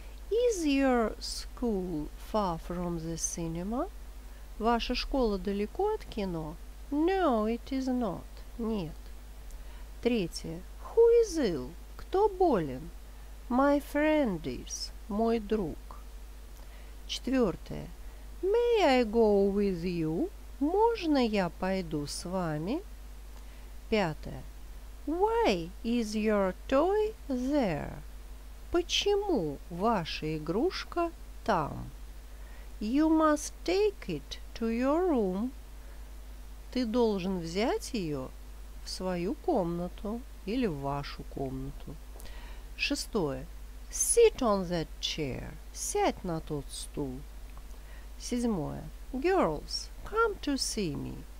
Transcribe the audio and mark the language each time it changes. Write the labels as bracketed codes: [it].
[en] Is your school far from the cinema? [ru] Ваша школа далеко от кино? [en] No, it is not. [ru] Нет. Третье. [en] Who is ill? [ru] Кто болен? [en] My friend is. [ru] Мой друг. Четвертое. [en] May I go with you? [ru] Можно я пойду с вами? Пятое. [en] Why is your toy there? [ru] Почему ваша игрушка там? [en] You must take it to your room. [ru] Ты должен взять ее в свою комнату или в вашу комнату. Шестое. [en] Sit on that chair. [ru] Сядь на тот стул. Седьмое. [en] Girls, come to see me.